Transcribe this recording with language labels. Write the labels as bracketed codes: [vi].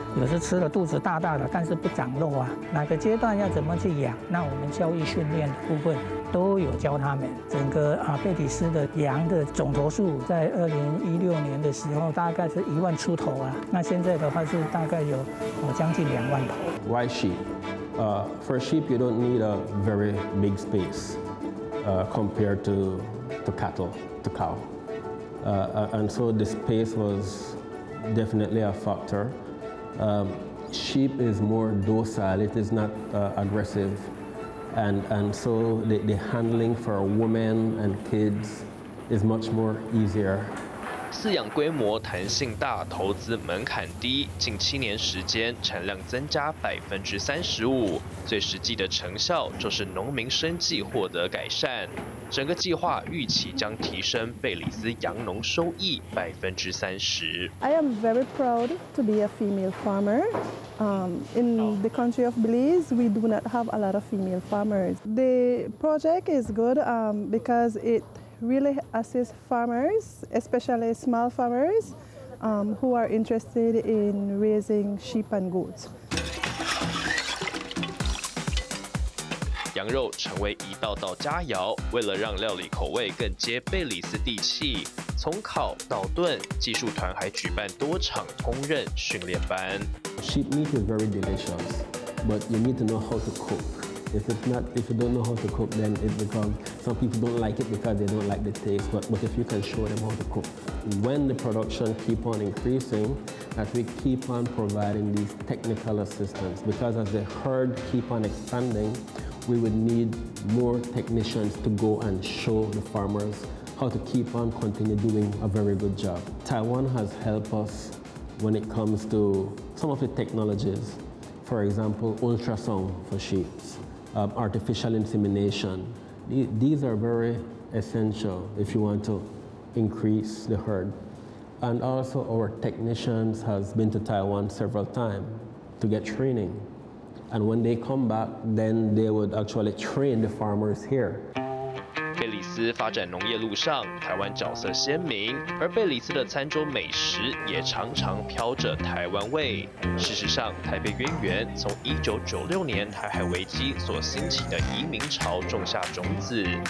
[zh] 有时吃了肚子大大的，但是不长肉啊。哪个阶段要怎么去养？那我们教育训练的部分都有教他们。整个啊，贝里斯的羊的总头数在2016年的时候大概是10000出头啊，那现在的话是大概有将近20000头。 [en] Why sheep? For sheep, you don't need a very big space, compared to cattle, to cow. And so the space was definitely a factor. Sheep is more docile, it is not aggressive. And so the handling for women and kids is much more easier. [zh] 饲养规模弹性大，投资门槛低，近七年时间产量增加35%，最实际的成效就是农民生计获得改善。整个计划预期将提升贝里斯羊农收益30%。 [en] I am very proud to be a female farmer. In the country of Belize, we do not have a lot of female farmers. The project is good, because it really assist farmers, especially small farmers, who are interested in raising sheep and goats. [zh] 羊肉成为一道道佳肴，为了让料理口味更接贝里斯地气，从烤到炖，技术团还举办多场烹饪训练班。 [en] Sheep meat is very delicious, but you need to know how to cook. If you don't know how to cook, then it becomes, some people don't like it because they don't like the taste, but if you can show them how to cook. When the production keep on increasing, as we keep on providing these technical assistance, because as the herd keep on expanding, we would need more technicians to go and show the farmers how to keep on continue doing a very good job. Taiwan has helped us when it comes to some of the technologies, for example, ultrasound for sheep. Artificial insemination. These are very essential if you want to increase the herd. And also our technicians has been to Taiwan several times to get training. And when they come back, then they would actually train the farmers here. [zh] 贝里斯发展农业路上，台湾角色鲜明，而贝里斯的餐桌美食也常常飘着台湾味。事实上，台北渊源从1996年台海危机所兴起的移民潮种下种子。